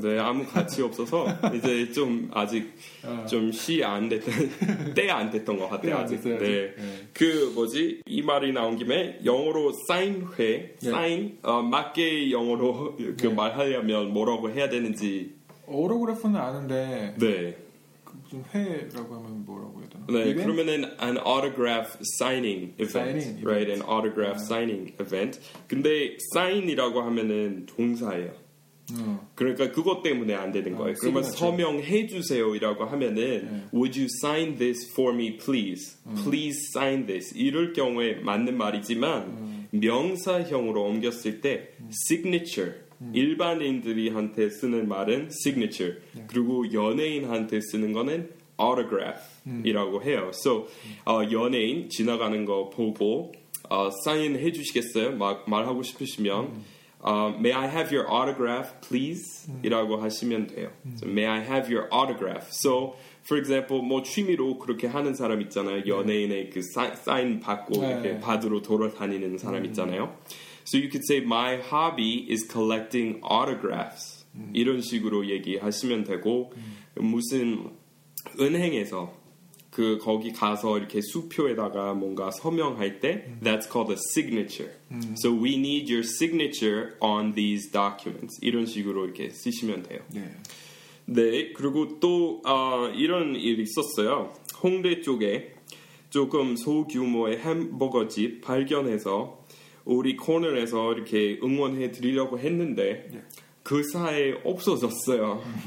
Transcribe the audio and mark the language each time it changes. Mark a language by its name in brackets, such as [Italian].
[Korean] 네, 아무 가치 없어서 이제 좀 아직 좀 시 안 됐던 때 안 됐던 것 같아요. 아직. 네. 네. 그 뭐지 이 말이 나온 김에 영어로 사인회 사인 네. 맞게 영어로 그 네. 말하려면 뭐라고 해야 되는지. 오토그래프는 아는데 네. 좀 회라고 하면 뭐라고 해야 되나? 네, 이벤트? 그러면은 [English] an autograph signing event, signing event. right? an autograph [Korean] 네. [English] signing event. [Korean] 근데 sign이라고 하면은 동사예요. 그러니까 그것 때문에 안 되는 거예요. 그러면 서명해 주세요라고 하면은 네. [English] would you sign this for me please? Please sign this. [Korean] 이럴 경우에 맞는 말이지만 명사형으로 옮겼을 때 signature 일반인들이한테 쓰는 말은 signature 네. 그리고 연예인한테 쓰는 거는 autograph 이라고 해요. So 연예인 지나가는 거 보고 sign 해주시겠어요? 말하고 싶으시면 [English] may I have your autograph please? [Korean] 이라고 하시면 돼요. [English] So, may I have your autograph? So for example [Korean] 뭐 취미로 그렇게 하는 사람 있잖아요. 연예인의 그 sign 받고 네. 이렇게 받으러 돌아다니는 사람 있잖아요. [English] So you could say my hobby is collecting autographs. [Korean] 이런 식으로 얘기하시면 되고 무슨 은행에서 그 거기 가서 이렇게 수표에다가 뭔가 서명할 때 [English] that's called a signature. So we need your signature on these documents. [Korean] 이런 식으로 이렇게 쓰시면 돼요. 네. 네 그리고 또 이런 일이 있었어요. 홍대 쪽에 조금 소규모의 햄버거 집 발견해서 우리 코너에서 이렇게 응원해 드리려고 했는데 그 사이 없어졌어요.